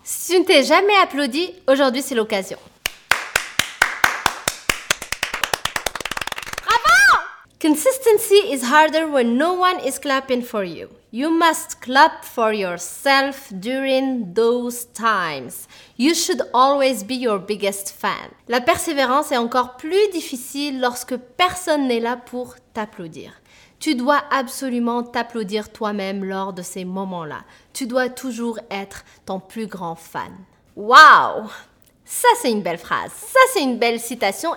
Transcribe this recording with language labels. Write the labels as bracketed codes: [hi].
[fr] Si tu ne t'es jamais applaudi, aujourd'hui c'est l'occasion. Bravo! [en] Consistency is harder when no one is clapping for you. You must clap for yourself during those times. You should always be your biggest fan. [fr] La persévérance est encore plus difficile lorsque personne n'est là pour t'applaudir. Tu dois absolument t'applaudir toi-même lors de ces moments-là. Tu dois toujours être ton plus grand fan. Waouh! Ça, c'est une belle phrase. Ça, c'est une belle citation.